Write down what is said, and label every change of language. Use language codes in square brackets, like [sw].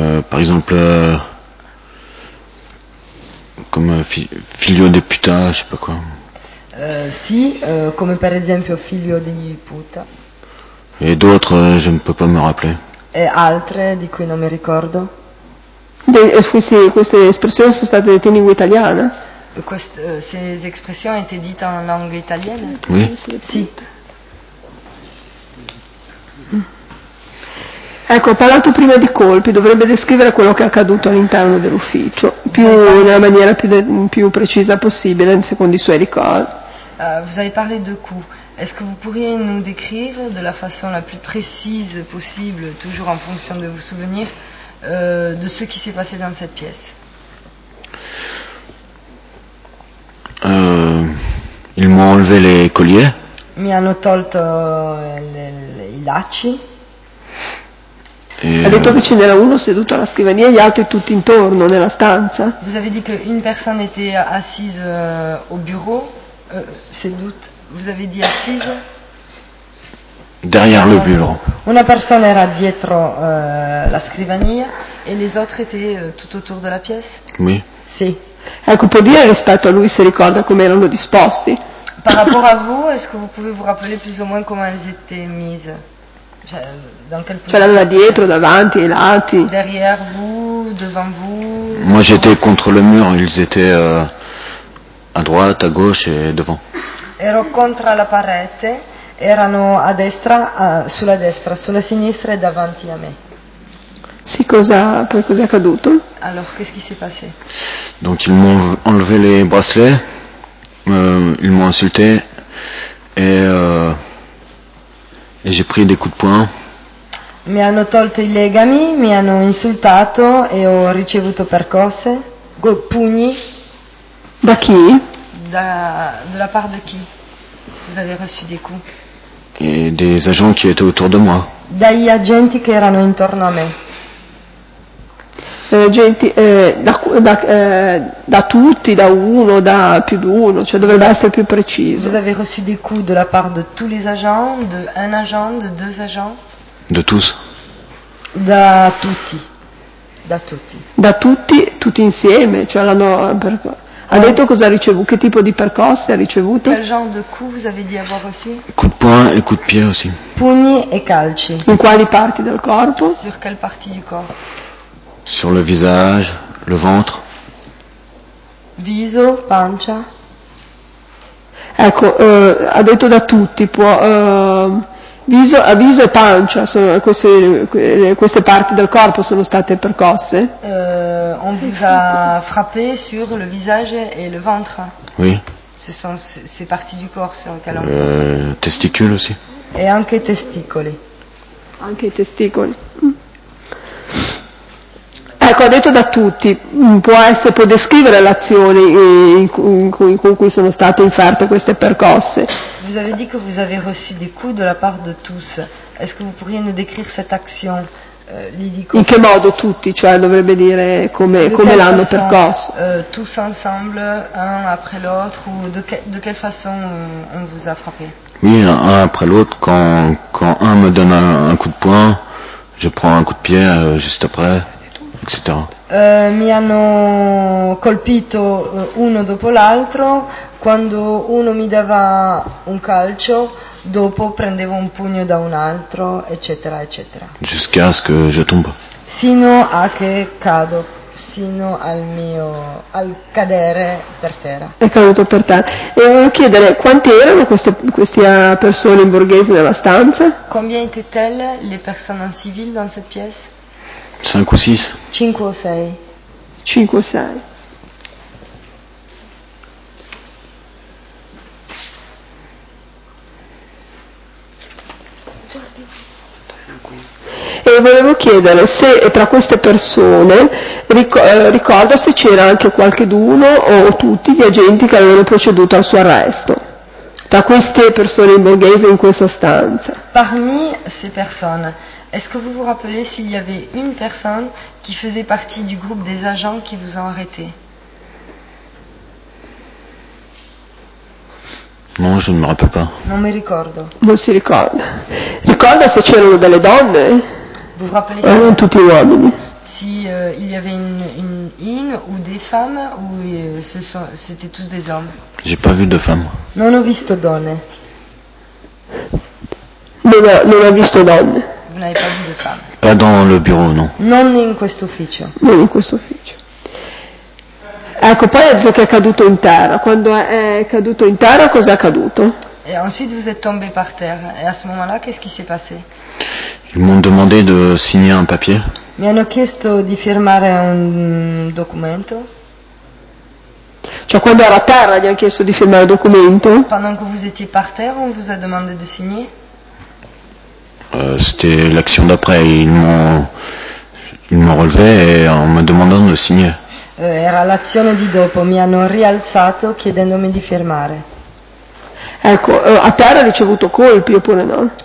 [fr] Par exemple, comme [it] figlio de puta, [fr] je sais pas quoi. [it] Sì, come per esempio figlio di puta. [fr] E d'autres, je ne peux pas me rappeler. [it] E altre di cui non mi ricordo. Sì, queste espressioni sono state dette in lingua italiana? Queste espressioni sono state dette in lingua italiana? [fr] Oui. [it] Sì. Ecco, ho parlato prima di colpi, dovrebbe descrivere quello che è accaduto all'interno dell'ufficio, nella maniera più precisa possibile, secondo i suoi ricordi. [fr] Vous avez parlé de coups. Est-ce que vous pourriez nous décrire de la façon la plus précise possible, toujours en fonction de vos souvenirs, de ce qui s'est passé dans cette pièce? Ils m'ont enlevé les colliers. [it] Mi hanno tolto i lacci. Ha detto che ce n'era uno seduto alla scrivania e gli altri tutti intorno nella stanza. [fr] Vous avez dit qu'une personne était assise au bureau. Sedute. Vous avez dit assise. Derrière le bureau. [it] Una persona era dietro la scrivania e [fr] les autres étaient tout autour de la pièce. Oui. [it] Sì. Ecco, può dire rispetto a lui se ricorda come erano disposti? [fr] Par rapport à vous, est-ce que vous pouvez vous rappeler plus ou moins comment elles étaient mises? Cioè, dans quelle position? [it] C'era dietro, davanti, ai lati. [fr] Derrière vous, devant vous. Moi j'étais contre le mur, ils étaient a droite, a gauche e devant. [it] Ero contro la parete, erano a destra, sulla destra, sulla sinistra e davanti a me. Sì, cosa è accaduto? [fr] Alors, qu'est-ce qui s'est passé? Donc, ils m'ont enlevé les bracelets, ils m'ont insulté, et j'ai pris des coups de poing. [it] Mi hanno tolto i legami, mi hanno insultato e ho ricevuto percosse, pugni. Da chi? [fr] De la part de qui? Vous avez reçu des coups? Et des agents qui étaient autour de moi. [it] Dagli agenti che erano intorno a me. Agenti da tutti, da uno, da più di uno, cioè dovrebbe essere più preciso. [fr] Vous avez reçu des coups de la part de tous les agents, de un agent, de deux agents? De tous. [it] Da tutti. Da tutti. Da tutti, tutti insieme, cioè l'hanno per... Ha detto cosa ha ricevuto, che tipo di percosse ha ricevuto? [fr] Quel genre de coup vous avez dit avoir reçu? Coup de poing et coup de pied aussi. [it] Pugni e calci. In quali parti del corpo? [fr] Sur quelle partie du corps? Sur le visage, le ventre. [it] Viso, pancia. Ecco, ha detto da tutti, può... Viso e pancia, sono queste parti del corpo sono state percosse? [fr] On vous a frappé sur le visage et le ventre. Oui. Ce sont ces parties du corps sur lesquelles on... Testicule aussi. [it] Et anche testicoli. Anche i testicoli. Ecco, ha detto da tutti, può descrivere l'azione con cui sono state inferte queste percosse. [fr] Vous avez dit que vous avez reçu des coups de la part de tous. Est-ce que vous pourriez nous décrire cette action? [it] In che modo tutti, cioè dovrebbe dire come l'hanno percosso? [fr] Tous ensemble, un après l'autre, ou de quelle façon on vous a frappé? Oui, un après l'autre, quand un me donne un coup de poing, je prends un coup de pied juste après. [it] Mi hanno colpito uno dopo l'altro, quando uno mi dava un calcio, dopo prendevo un pugno da un altro, eccetera, eccetera. [fr] Jusqu'à ce que je tombe. [it] Sino a che cado, sino al cadere per terra. È caduto per terra. E volevo chiedere, quante erano queste persone in borghese nella stanza? [fr] Combien étaient-elles les personnes en civil dans cette pièce? 5 ou 6. 5 ou 6. 5 ou 6. [it] volevo chiedere se tra queste persone ricorda se c'era anche qualcheduno o tutti gli agenti che avevano proceduto al suo arresto. Tra queste persone in borghese in questa stanza. [fr] Parmi ces personnes, est-ce que vous vous rappelez s'il y avait une personne qui faisait partie du groupe des agents qui vous ont arrêté? Non, je ne me rappelle pas. [it] Non mi ricordo. Non si ricorda. Ricorda se c'erano delle donne? [fr] Vous vous rappelez [it] erano si tutti uomini. [fr] Si il y avait une ou des femmes ou c'était tous des hommes? J'ai pas vu de femmes. [it] Non ho visto donne. Non ho visto donne. [fr] Vous n'avez pas vu de femmes. Pas dans le bureau, non. [it] Non in questo ufficio. Non in questo ufficio. Ecco, poi ha detto che è caduto in terra. Quando è caduto in terra, cosa è accaduto? [fr] Et ensuite vous êtes tombé par terre. Et à ce moment-là, qu'est-ce qui s'est passé? Ils m'ont demandé de signer un papier. [it] Mi hanno chiesto di firmare un documento. Cioè, quando era a terra, gli hanno chiesto di firmare un documento? [fr] Pendant que vous étiez par terre, on vous a demandé de signer? C'était l'action d'après. Ils m'ont relevé en me demandant de signer. [it] Era l'azione di dopo, mi hanno rialzato chiedendomi di firmare. Ecco, a terra ho ricevuto colpi oppure no?